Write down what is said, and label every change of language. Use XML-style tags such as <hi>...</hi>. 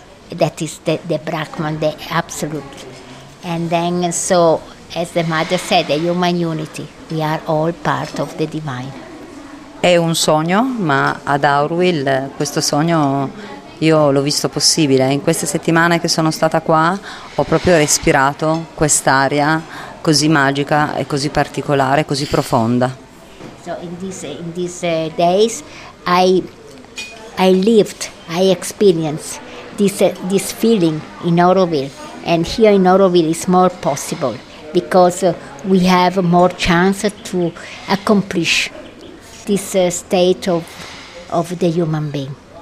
<en>That is the Brahman, the absolute. And then, so, as the mother said, the human unity, we are all part of the divine.</en> <it>È un sogno, ma ad Auroville questo sogno io l'ho visto possibile. In queste settimane che sono stata qua ho proprio respirato quest'aria così magica e così particolare, così profonda.</it> <en>So in these days I lived, I experienced this feeling in Auroville, and here in Auroville it's more possible because we have more chance to accomplish this state of the human being.</en>